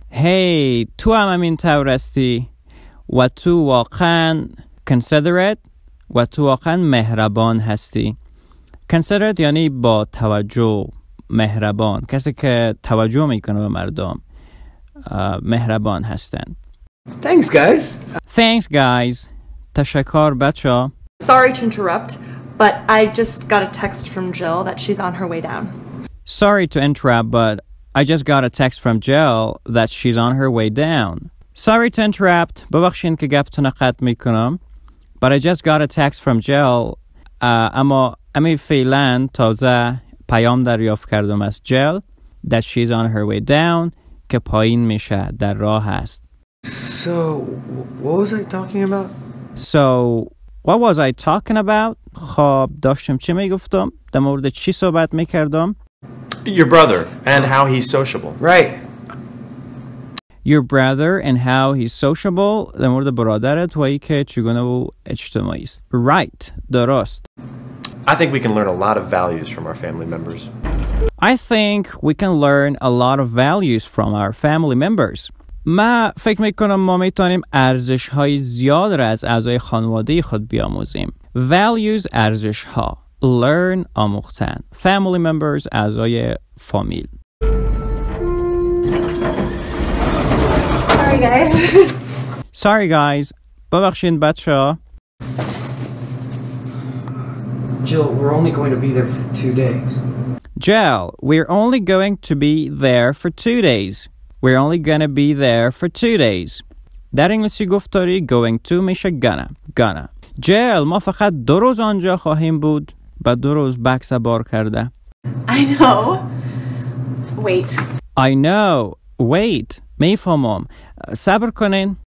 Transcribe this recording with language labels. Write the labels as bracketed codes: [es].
[fa] Hey, تو هم همین طور هستی. و تو واقعا considerate. و تو واقعا مهربان هستی. Considerate یعنی با توجه مهربان. کسی که توجه میکنه به مردم مهربان هستن. [en] Thanks, guys. Thanks, guys. [fa] تشکر بچه. [en] Sorry to interrupt, but I just got a text from Jill that she's on her way down. Sorry to interrupt, but I just got a text from Jill that she's on her way down. Sorry to interrupt. [fa] ببخشین که گپتون قطع میکنم. [en] But I just got a text from Jill. [fa] اما فعلا تازه پیام دریافت کردم از Jill [en] that she's on her way down [fa] که پایین میشه در راه است. [en] So, what was I talking about? So, what was I talking about? [fa] خب داشتم چی میگفتم؟ در مورد چی صحبت میکردم؟ [en] Your brother and how he's sociable. Right. Your brother and how he's sociable. [fa] در مورد برادرت و ای که چگونه و اجتماعی است. [en] Right. [fa] درست. [en] I think we can learn a lot of values from our family members. I think we can learn a lot of values from our family members. [fa] ما فکر میکنم ما میتونیم ارزش های زیاد را از اعضای خانواده خود بیاموزیم. Values ارزش ها. Learn آموختن. Family members اعضای فامیل. [en] Sorry guys. Sorry guys. [fa] ببخشین بچه ها. [en] Jill, we're only going to be there for 2 days. Jill, we're only going to be there for 2 days. We're only gonna be there for 2 days. [fa] در انگلیسی گفتاری going to میشه gonna. Jill, ما فقط 2 روز آنجا خواهیم بود. با 2 روز بکس بار کرده. [en] I know. Wait. I know. Wait. [fa] میفهمم. صبر کنین.